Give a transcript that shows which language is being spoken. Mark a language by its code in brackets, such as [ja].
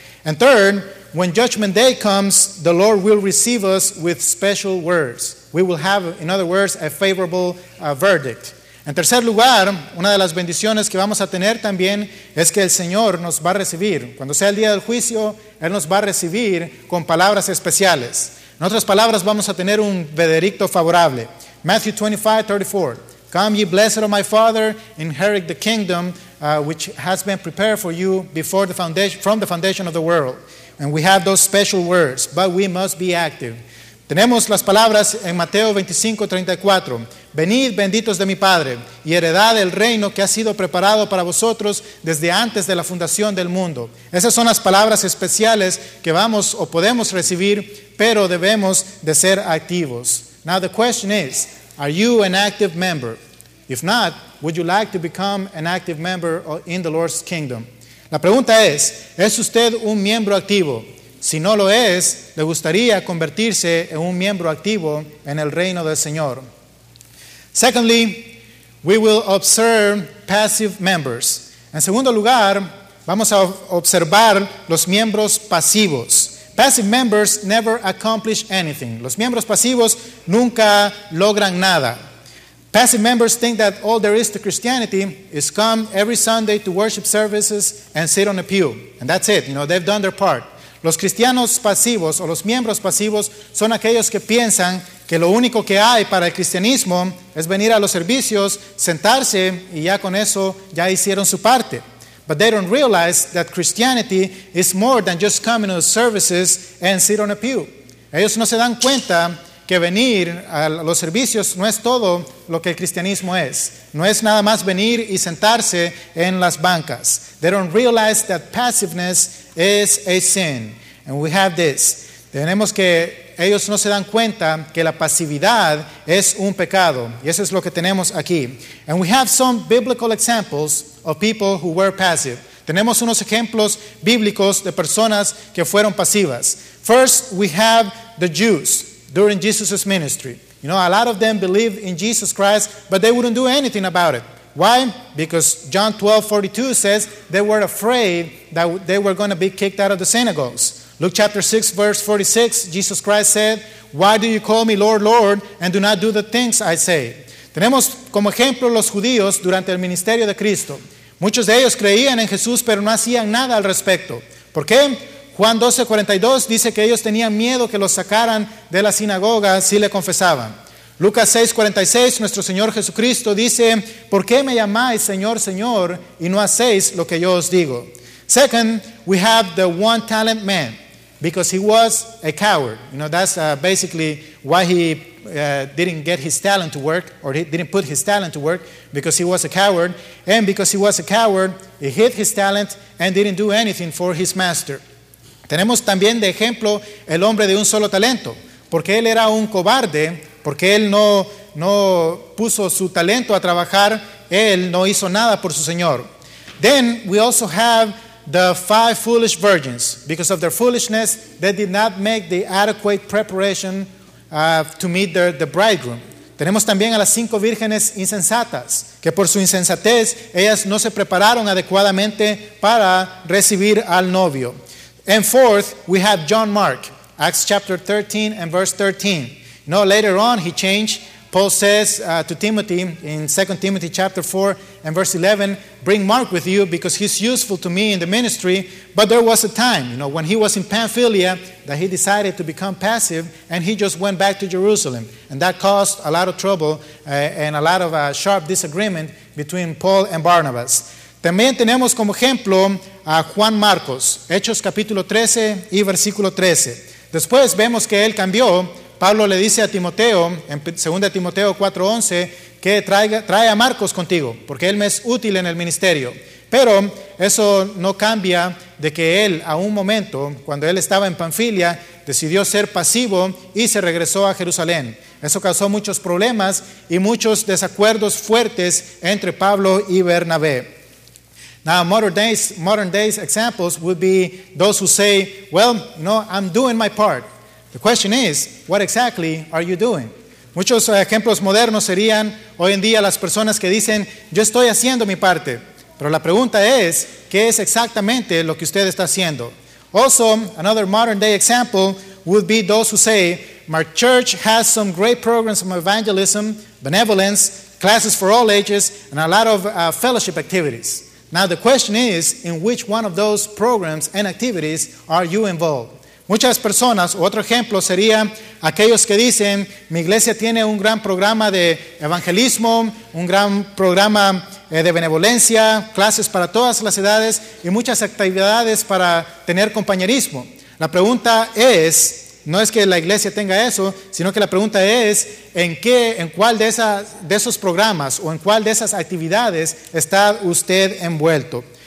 [en] And third, when judgment day comes, the Lord will receive us with special words. We will have, in other words, a favorable verdict. [es] En tercer lugar, una de las bendiciones que vamos a tener también es que el Señor nos va a recibir. Cuando sea el día del juicio, Él nos va a recibir con palabras especiales. En otras palabras, vamos a tener un veredicto favorable. [en] Matthew 25, 34. Come ye blessed of my Father, inherit the kingdom which has been prepared for you before the foundation, from the foundation of the world. And we have those special words, but we must be active. [es] Tenemos las palabras en Mateo 25, 34. Venid benditos de mi Padre y heredad el reino que ha sido preparado para vosotros desde antes de la fundación del mundo. Esas son las palabras especiales que vamos o podemos recibir, pero debemos de ser activos. [en] Now the question is, are you an active member? If not, would you like to become an active member in the Lord's kingdom? [es] La pregunta ¿es usted un miembro activo? Si no lo es, ¿le gustaría convertirse en un miembro activo en el reino del Señor? [en] Secondly, we will observe passive members. [es] En segundo lugar, vamos a observar los miembros pasivos. [en] Passive members never accomplish anything. [es] Los miembros pasivos nunca logran nada. [en] Passive members think that all there is to Christianity is come every Sunday to worship services and sit on a pew. And that's it. You know, they've done their part. [es] Los cristianos pasivos o los miembros pasivos son aquellos que piensan que lo único que hay para el cristianismo es venir a los servicios, sentarse y ya con eso ya hicieron su parte. [en] But they don't realize that Christianity is more than just coming to services and sit on a pew. [es] Ellos no se dan cuenta que venir a los servicios no es todo lo que el cristianismo es. No es nada más venir y sentarse en las bancas. [en] They don't realize that passiveness is a sin. And we have this. [es] Tenemos que ellos no se dan cuenta que la pasividad es un pecado. Y eso es lo que tenemos aquí. [en] And we have some biblical examples of people who were passive. [es] Tenemos unos ejemplos bíblicos de personas que fueron pasivas. [en] First, we have the Jews during Jesus' ministry. You know, a lot of them believed in Jesus Christ, but they wouldn't do anything about it. Why? Because John 12:42 says they were afraid that they were going to be kicked out of the synagogues. Luke chapter 6, verse 46, Jesus Christ said, "Why do you call me Lord, Lord, and do not do the things I say?" [es] Tenemos como ejemplo los judíos durante el ministerio de Cristo. Muchos de ellos creían en Jesús, pero no hacían nada al respecto. ¿Por qué? Juan 12:42 dice que ellos tenían miedo que los sacaran de la sinagoga si le confesaban. Lucas 6:46, nuestro Señor Jesucristo dice, "¿Por qué me llamáis Señor, Señor, y no hacéis lo que yo os digo?" [en] Second, we have the one talent man, because he was a coward. You know, that's basically why he didn't get his talent to work, or he didn't put his talent to work, because he was a coward. And because he was a coward, he hid his talent and didn't do anything for his master. [es] Tenemos también de ejemplo el hombre de un solo talento, porque él era un cobarde, porque él no puso su talento a trabajar, él no hizo nada por su señor. [en] Then we also have the five foolish virgins. Because of their foolishness, they did not make the adequate preparation to meet the bridegroom. [es] Tenemos también a las cinco vírgenes insensatas, que por su insensatez, ellas no se prepararon adecuadamente para recibir al novio. [en] And fourth, we have John Mark, Acts chapter 13 and verse 13. You know, later on he changed. Paul says to Timothy in 2 Timothy chapter 4 and verse 11, "Bring Mark with you because he's useful to me in the ministry." But there was a time, you know, when he was in Pamphylia that he decided to become passive and he just went back to Jerusalem. And that caused a lot of trouble and a lot of sharp disagreement between Paul and Barnabas. [es] También tenemos como ejemplo a Juan Marcos, Hechos capítulo 13 y versículo 13. Después vemos que él cambió. Pablo le dice a Timoteo, en 2 Timoteo 4:11, que trae a Marcos contigo, porque él me es útil en el ministerio. Pero eso no cambia de que él, a un momento, cuando él estaba en Panfilia, decidió ser pasivo y se regresó a Jerusalén. Eso causó muchos problemas y muchos desacuerdos fuertes entre Pablo y Bernabé. [en] Now, modern days examples would be those who say, "Well, you know, I'm doing my part." The question is, what exactly are you doing? [es] Muchos ejemplos modernos serían hoy en día las personas que dicen, "Yo estoy haciendo mi parte." Pero la pregunta es, ¿qué es exactamente lo que usted está haciendo? [en] Also, another modern day example would be those who say, "My church has some great programs of evangelism, benevolence, classes for all ages, and a lot of fellowship activities." Now the question is, in which one of those programs and activities are you involved? [es] Muchas personas, otro ejemplo sería aquellos que dicen, "Mi iglesia tiene un gran programa de evangelismo, un gran programa de benevolencia, clases para todas las edades y muchas actividades para tener compañerismo." La pregunta es, no es que la iglesia tenga eso, sino que la pregunta es, ¿en cuál de esos programas o en cuál de esas actividades está usted envuelto?